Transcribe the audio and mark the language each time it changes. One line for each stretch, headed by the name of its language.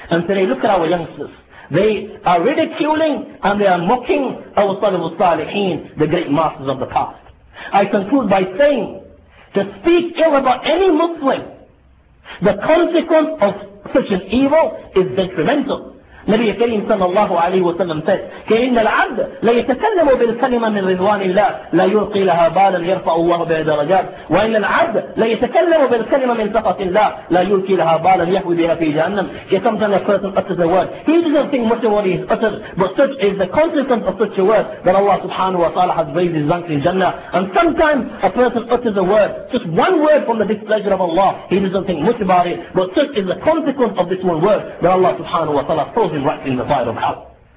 English: And today look at our youngsters. They are ridiculing and they are mocking our Salaf al-Saliheen, the great masters of the past. I conclude by saying, to speak ill about any Muslim, the consequence of such an evil is detrimental.
Arabic: Nabi Kareem sallallahu alayhi wa sallam said, كَإِنَّ الْعَبْدَ لَيَتَكَلَّمُ بِالْكَلِمَةِ مِنْ رِضْوَانِ اللَّهِ لَيُلْقِي لَهَا بَالًا يَرْفَعُ اللَّهُ بِهَا دَرَجَاتٍ وَإِنَّ الْعَبْدَ لَيَتَكَلَّمُ بِالْكَلِمَةِ مِنْ سَخَطِ اللَّهِ لَيُلْقِي لَهَا بَالًا يَهْوِي بِهَا فِي جَهَنَّمَ.
English: Yet sometimes a person utters a word, he doesn't think much of what he has uttered, but such is the consequence of such a word that Allah subhanahu wa ta'ala has raised his rank in Jannah. And sometimes a person utters a word, just one word from the displeasure of Allah, he doesn't think much about it, but such is the consequence of this one word that Allah subhanahu wa ta'ala him right in the fire of hell.